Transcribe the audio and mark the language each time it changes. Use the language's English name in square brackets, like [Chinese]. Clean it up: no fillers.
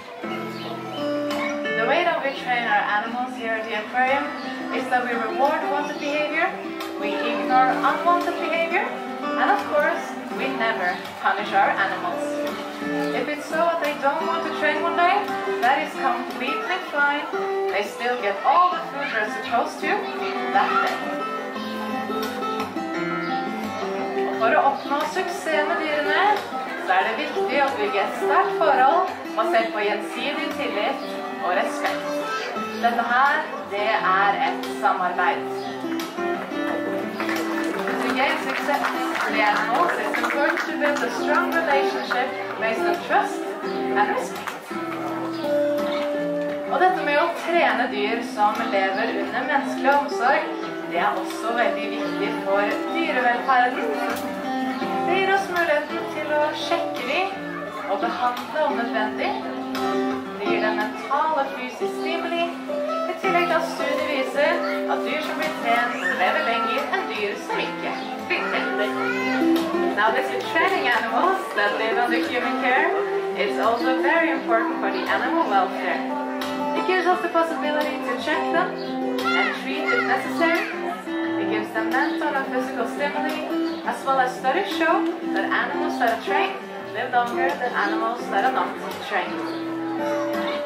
[English] The way that we train our animals here at the aquarium is that we reward wanted behavior, we ignore unwanted behavior, and of course, we never punish our animals. If it's so that they don't want to train one day, that is completely fine. They still get all the food they're supposed to that day. [Norwegian] Og for å oppnå suksess med dyrene, så er det viktig å bygge et sterkt forhold, basert på gjensidig tillit og respekt. Dette her, det er et samarbeid. [English] Gains acceptance for the animals, it's important to build a strong relationship based on trust and respect. [Norwegian] Og dette med å trene dyr som lever under menneskelig omsorg, det er også veldig viktig for dyrevelferden. Det gir oss muligheten til å sjekke dem og behandle om nødvendig. Det gir dem mental og fysisk stimuli. I tillegg da studiet viser at dyr som blir trent lever lenger enn dyr som ikke. [English] Now these training animals that live under human care, it's also very important for the animal welfare. It gives us the possibility to check them and treat if necessary. It gives them mental and physical stimuli, as well as studies show that animals that are trained live longer than animals that are not trained.